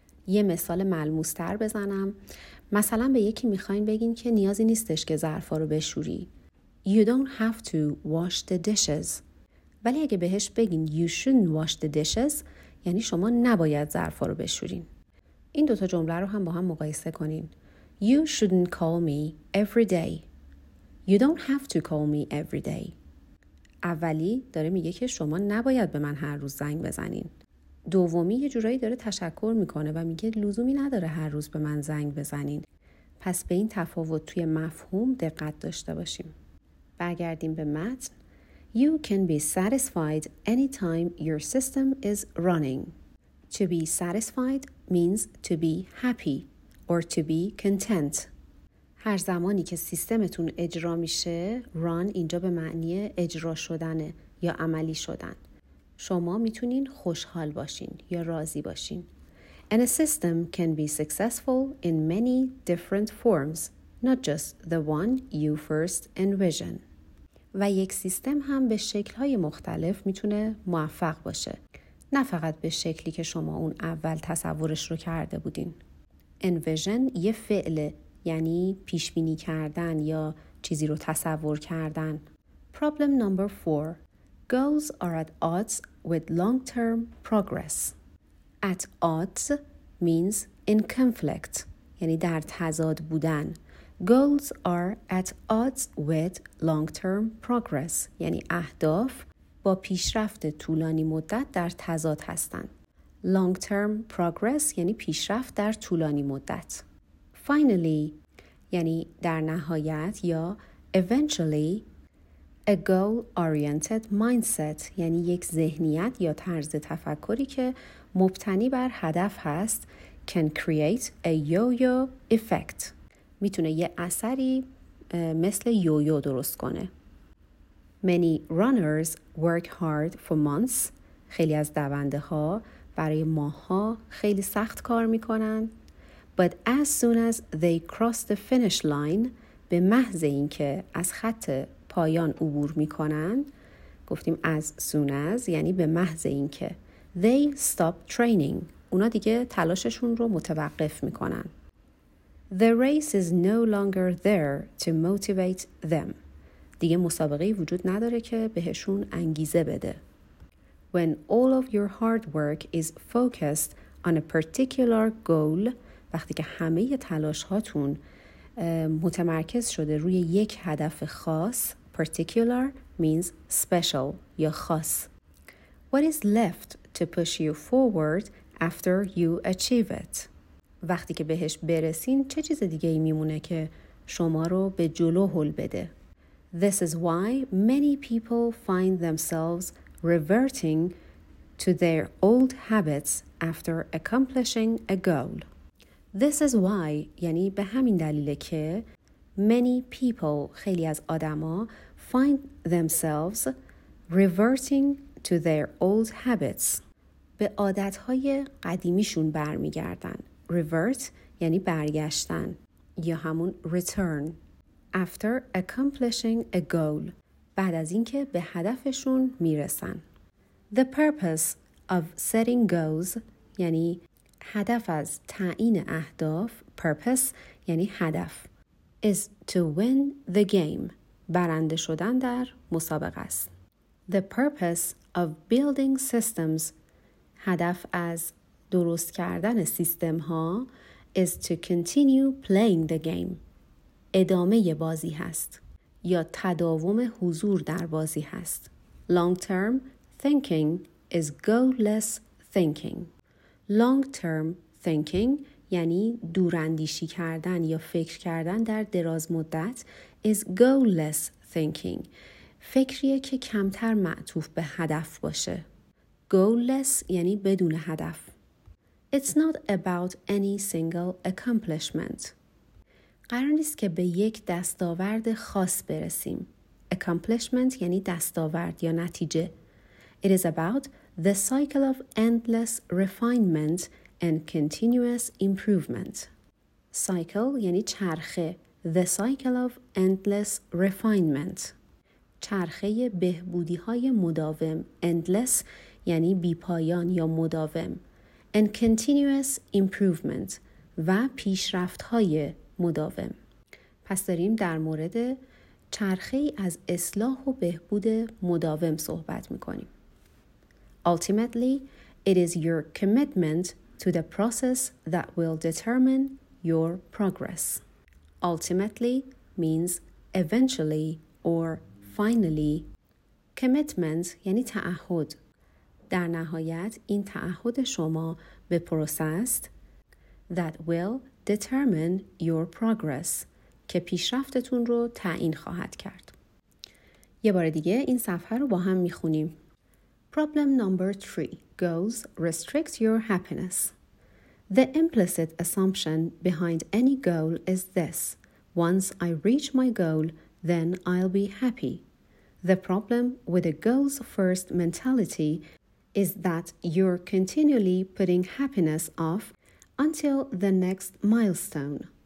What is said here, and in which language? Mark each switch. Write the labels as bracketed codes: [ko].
[fa] یه مثال ملموس‌تر بزنم. مثلا به یکی میخواین بگین که نیازی نیستش که ظرفا رو بشوری. [en] You don't have to wash the dishes. [fa] ولی اگه بهش بگین [en] you shouldn't wash the dishes, [fa] یعنی شما نباید ظرفا رو بشورین. این دوتا جمله رو هم با هم مقایسه کنین. [en] You shouldn't call me every day. You don't have to call me every day. [fa] اولی داره میگه که شما نباید به من هر روز زنگ بزنین. دومی یه جورایی داره تشکر میکنه و میگه لزومی نداره هر روز به من زنگ بزنین. پس به این تفاوت توی مفهوم دقت داشته باشیم. برگردیم به متن. [en] You can be satisfied anytime your system is running. To be satisfied means to be happy or to be content. [fa] هر زمانی که سیستمتون اجرا میشه، run اینجا به معنی اجرا شدنه یا عملی شدن. شما میتونین خوشحال باشین یا راضی باشین. [en] And a system can be successful in many different forms, not just the one you first envision. [fa] و یک سیستم هم به شکل‌های مختلف میتونه موفق باشه، نه فقط به شکلی که شما اون اول تصورش رو کرده بودین. Envision یه فعله، یعنی پیشبینی کردن یا چیزی رو تصور کردن. [en] Problem number 4. Goals are at odds with long-term progress. At odds means in conflict. [fa] یعنی در تضاد بودن. [en] Goals are at odds with long-term progress. [fa] یعنی اهداف با پیشرفت طولانی مدت در تضاد هستند. Long-term progress یعنی پیشرفت در طولانی مدت. Finally, یعنی در نهایت یا eventually, [en] a goal-oriented mindset [fa] یعنی یک ذهنیت یا طرز تفکری که مبتنی بر هدف هست [en] can create a yo-yo effect. [fa] میتونه یه اثری مثل یویو درست کنه. [en] Many runners work hard for months. [fa] خیلی از دونده ها برای ماها خیلی سخت کار میکنن. [en] But as soon as they cross the finish line, [fa] به محض اینکه از خط پایان عبور میکنن، گفتیم [en] as soon as [fa] یعنی به محض اینکه، [en] they stop training. [fa] اونا دیگه تلاششون رو متوقف میکنن. [en] The race is no longer there to motivate them. [fa] دیگه مسابقه‌ای وجود نداره که بهشون انگیزه بده. [en] When all of your hard work is focused on a particular goal, [fa] وقتی که همه تلاش هاتون متمرکز شده روی یک هدف خاص، [en] particular means special [fa] یا خاص. [en] What is left to push you forward after you achieve it? [fa] وقتی که بهش برسین چه چیز دیگه ای میمونه که شما رو به جلو هل بده؟ [en] This is why many people find themselves reverting to their old habits after accomplishing a goal. This is why [fa] یعنی به همین دلیله که [en] many people [fa] خیلی از آدما [en] find themselves reverting to their old habits [fa] به عادتهای قدیمیشون برمیگردن. Revert یعنی برگشتن یا همون return. [en] After accomplishing a goal [fa] بعد از اینکه به هدفشون میرسن. [en] The purpose of setting goals [fa] یعنی هدف از تعیین اهداف. Purpose یعنی هدف. [en] Is to win the game [fa] برنده شدن در مسابقه است. [en] The purpose of building systems [fa] هدف از درست کردن سیستم ها [en] is to continue playing the game [fa] ادامه بازی هست یا تداوم حضور در بازی هست. [en] Long term thinking is goalless thinking. Long term thinking [fa] یعنی دوراندیشی کردن یا فکر کردن در دراز مدت [en] is goalless thinking. [fa] فکریه که کمتر معطوف به هدف باشه. Goalless یعنی بدون هدف. [en] It's not about any single accomplishment. [fa] قرار نیست که به یک دستاورد خاص برسیم. Accomplishment یعنی دستاورد یا نتیجه. [en] It is about the cycle of endless refinement and continuous improvement. [fa] Cycle یعنی چرخه. [en] The cycle of endless refinement. [fa] چرخه بهبودی های مداوم. Endless یعنی بیپایان یا مداوم. [en] And continuous improvement [fa] و پیشرفت‌های مداوم. پس داریم در مورد چرخه‌ای از اصلاح و بهبود مداوم صحبت می‌کنیم. [en] Ultimately, it is your commitment to the process that will determine your progress. Ultimately means eventually or finally. [fa] commitment یعنی تعهد. در نهایت این تعهد شما به پروسه است [en] that will determine your progress [fa] که پیشرفتتون رو تعیین خواهد کرد. یه بار دیگه این صفحه رو با هم میخونیم. [en] Problem number 3. Goals restrict your happiness. The implicit assumption behind any goal is this. Once I reach my goal, then I'll be happy. The problem with a goals first mentality is that you're continually putting happiness off until the next milestone.